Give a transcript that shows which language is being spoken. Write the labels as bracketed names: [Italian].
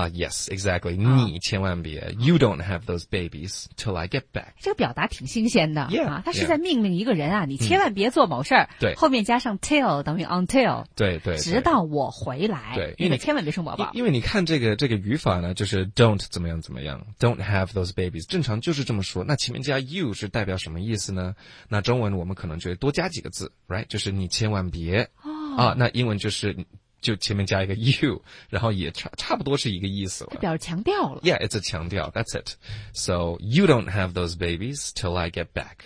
[English] Yes, exactly, [Chinese] 你千万别 [English] ,you don't have those babies till I get back. [Chinese] 这个表达挺新鲜的 [English] yeah, [Chinese] 啊它是在命令一个人啊你千万别做某事儿、对。后面加上 till 等于 until, 对。直到我回来。对因为千万别生宝宝。因为你看这个语法呢就是 don't 怎么样怎么样 , [English] don't have those babies, [Chinese] 正常就是这么说那前面加 you 是代表什么意思呢那中文我们可能就会多加几个字 , [English] right, [Chinese] 就是你千万别。那英文就是就前面加一个 you, 然后也差不多是一个意思了。它表示强调了。 [English] Yeah, it's a 强调 that's it. So, you don't have those babies till I get back.